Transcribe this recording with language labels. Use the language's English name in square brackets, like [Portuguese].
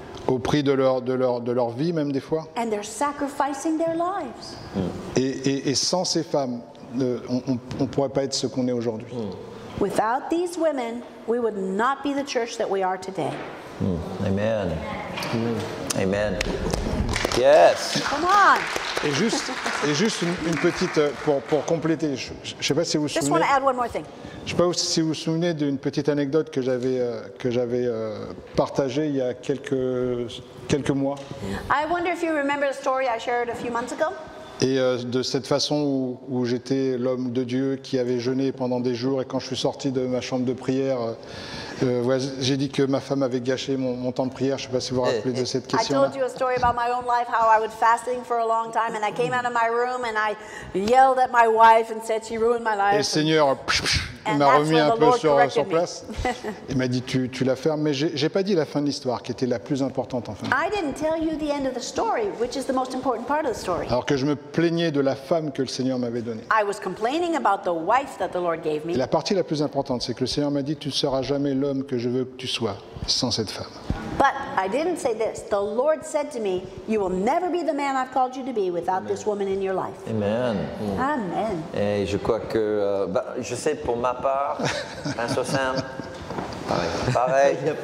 [French] Au prix de leur vie même des fois. [English] And they're sacrificing their lives. Et sans ces femmes, on ne pourrait pas être ce qu'on est aujourd'hui. Without these women, we would not be the church that we are today. Amen. Amen. Yes. Come on. [French] Et juste une petite pour compléter. Je ne sais pas si vous vous souvenez. [English] Just want to add one more thing. [French] Je ne sais pas si vous vous souvenez d'une petite anecdote que j'avais partagée il y a quelques mois. [English] I wonder if you remember a story I shared a few months ago. [French] Et de cette façon où j'étais l'homme de Dieu qui avait jeûné pendant des jours, et quand je suis sorti de ma chambre de prière, j'ai dit que ma femme avait gâché mon temps de prière. Je ne sais pas si vous vous rappelez de cette question. [English] I told you a story about my own life, how I was fasting for a long time, and I came out of my room and I yelled at my wife and said she ruined my life. [French] Et le Seigneur m'a remis un peu sur place. Il m'a dit tu la fermes, mais j'ai pas dit la fin de l'histoire, qui était la plus importante en fin. [English] I didn't tell you the end of the story, which is the most important part of the story. [French] Alors que je me plaignais de la femme que le Seigneur m'avait donnée. [English] I was complaining about the wife that the Lord gave me. [French] La partie la plus importante, c'est que le Seigneur m'a dit tu ne seras jamais l'homme que je veux que tu sois sans cette femme. [English] But I didn't say this. The Lord said to me, you will never be the man I've called you to be without Amen. This woman in your life. Amen. Amen. [French] Et je crois que je sais pour ma part, un soixante. Pareil.